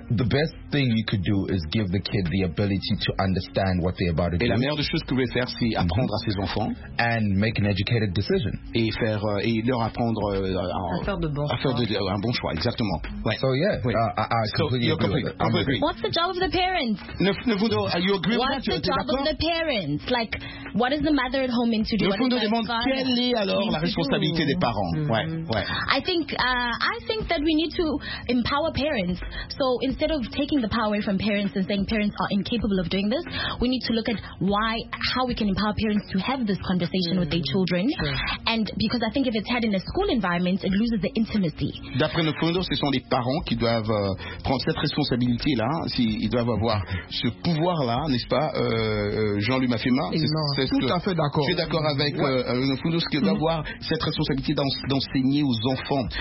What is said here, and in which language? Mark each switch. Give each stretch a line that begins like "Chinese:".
English: The best thing you could do is give the kid the ability to understand what they're about to do.
French: Et la meilleure chose que vous pouvez faire, c'est apprendre à ses enfants.
English: And make an educated decision.
French: Et faire et leur apprendre à faire un bon choix. Exactement. Ouais.
English: So yeah, I completely agree. What's the job of the parents? You agree what's with the job of the parents? Like, what is the mother at home into?
French: Le fond demande quelle est alors la responsabilité des parents. Mm-hmm. Ouais.
English: I think that we need to empower parents. So instead of taking the power away from parents and saying parents are incapable of doing this, we need to look at how we can empower parents to have this conversation with their children. Sure. And because I think if it's had in a school environment, it loses the intimacy.
French: D'après le fond, ce sont les parents qui doivent prendre cette responsabilité là. S'ils doivent avoir ce pouvoir là, n'est-ce pas, Jean-Louis Mafema, tout à fait d'accord. Je suis d'accord avec Nofundo, ce qui doit avoir cette responsabilité d'enseigner aux enfants.